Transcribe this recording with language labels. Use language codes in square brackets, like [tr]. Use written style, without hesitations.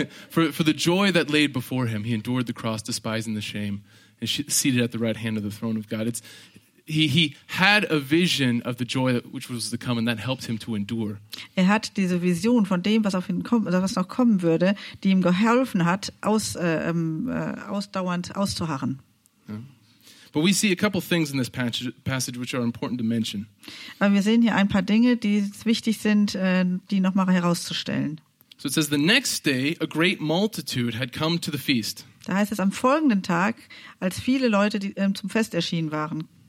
[en] for the joy that laid before him, he endured the cross, despising the shame, and seated at the right hand of the throne of God. He had a vision of the joy that, which was to come, and that helped him to endure. [de] Er hat diese Vision von dem, was auf ihn kommt oder was noch kommen würde, die ihm geholfen hat, ausdauernd auszuharren. [en] Yeah. But we see a couple things in this passage which are important to mention. [de] Aber wir sehen hier ein paar Dinge, die wichtig sind, die noch mal herauszustellen. [en] So it says, the next day, a great multitude had come to the feast. [de] Da heißt es, am folgenden Tag, als viele Leute die, zum Fest erschienen waren.